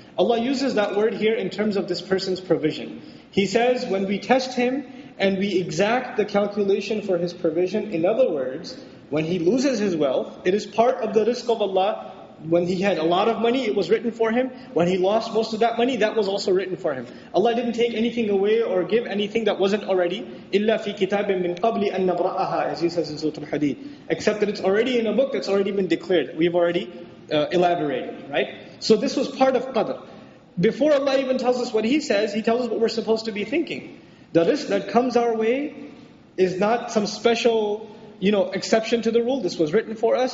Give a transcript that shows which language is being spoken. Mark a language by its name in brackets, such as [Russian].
[English] Allah uses that word here in terms of this person's provision. He says, when we test him, and we exact the calculation for his provision, in other words, when he loses his wealth, it is part of the risk of Allah. When he had a lot of money, it was written for him. When he lost most of that money, that was also written for him. Allah didn't take anything away or give anything that wasn't already. [Arabic] إِلَّا فِي كِتَابٍ مِّن قَبْلِ أَن نَبْرَأَهَا [English] As he says in Surah Al-Hadid. Except that it's already in a book that's already been declared. We've already elaborated, right? So this was part of qadr. Before Allah even tells us what he says, he tells us what we're supposed to be thinking. The risk that comes our way is not some special, you know, exception to the rule. This was written for us.